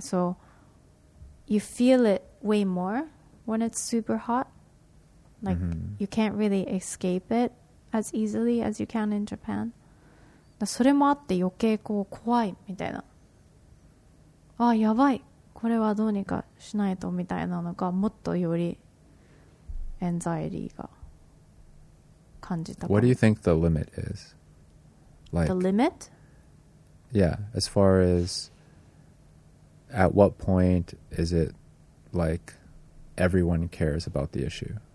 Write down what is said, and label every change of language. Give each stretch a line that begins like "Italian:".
English: So you feel it way more when it's super hot. Like, you can't really escape it. as easily as you can in Japan.
Japanese: それもあって余計こう怖いみたいな。あ、やばい。これはどうにかしないとみたいなのが、もっとよりエンザイティが感じた。
English: What do you think the limit is? Like, the limit? Yeah, as far as at what point is it like everyone cares about the issue?